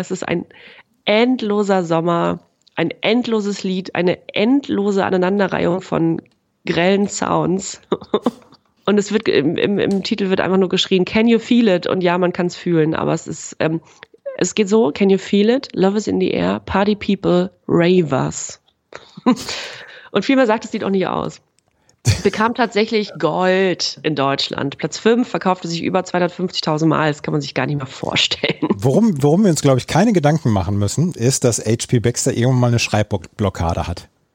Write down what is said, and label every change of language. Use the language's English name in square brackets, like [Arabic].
[German] Es ist ein endloser Sommer, ein endloses Lied, eine endlose Aneinanderreihung von grellen Sounds. Und es wird im Titel wird einfach nur geschrien, [English] can you feel it? [German] Und ja, man kann es fühlen, aber es geht so, [English] can you feel it? Love is in the air, party people, ravers. [German] Und vielmehr sagt das Lied auch nicht aus. Bekam tatsächlich Gold in Deutschland. Platz 5 verkaufte sich über 250.000 Mal. Das kann man sich gar nicht mehr vorstellen. Worum wir uns, glaube ich, keine Gedanken machen müssen, ist, dass H.P. Baxter irgendwann mal eine Schreibblockade hat.